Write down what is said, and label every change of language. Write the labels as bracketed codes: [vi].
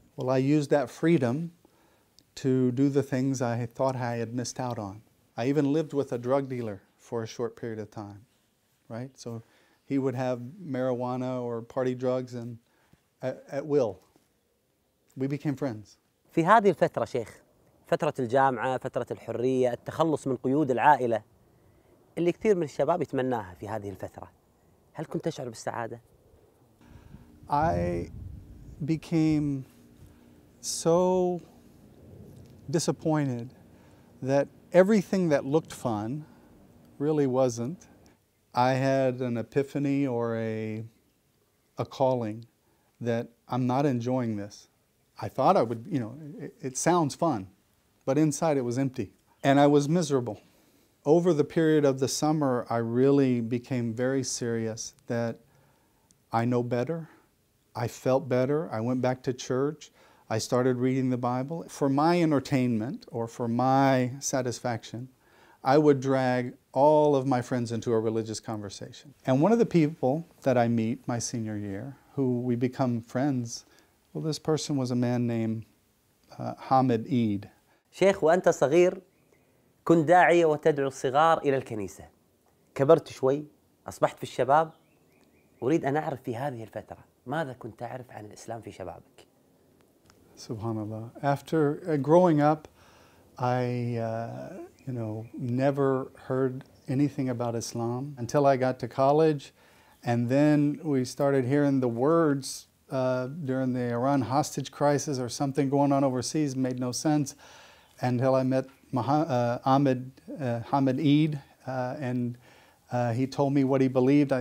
[en] Well, I used that freedom to do the things I thought I had missed out on. I even lived with a drug dealer for a short period of time, right? So he would have marijuana or party drugs and at will. We became friends. [ar] في هذه الفترة شيخ فترة الجامعة فترة الحرية التخلص من قيود العائلة اللي كثير من الشباب يتمناها في هذه الفترة هل كنت تشعر بالسعادة؟ [en] I became so disappointed that everything that looked fun really wasn't. I had an epiphany or a calling that I'm not enjoying this. I thought I would, you know, it sounds fun, but inside it was empty. And I was miserable. Over the period of the summer, I really became very serious that I know better. I felt better. I went back to church. I started reading the Bible. For my entertainment or for my satisfaction, I would drag all of my friends into a religious conversation. And one of the people that I meet my senior year, who we become friends, well, this person was a man named Hamid Eid. [ar] شيخ وأنت صغير كنت داعية وتدعو الصغار إلى الكنيسة. كبرت شوي أصبحت في الشباب أريد أن أعرف في هذه الفترة ماذا كنت تعرف عن الإسلام في شبابك؟ سبحان الله. [en] After growing up, I you know, never heard anything about Islam until I got to college, and then we started hearing the words during the Iran hostage crisis or something going on overseas made no sense until I met Hamid Eid, and he told me what he believed.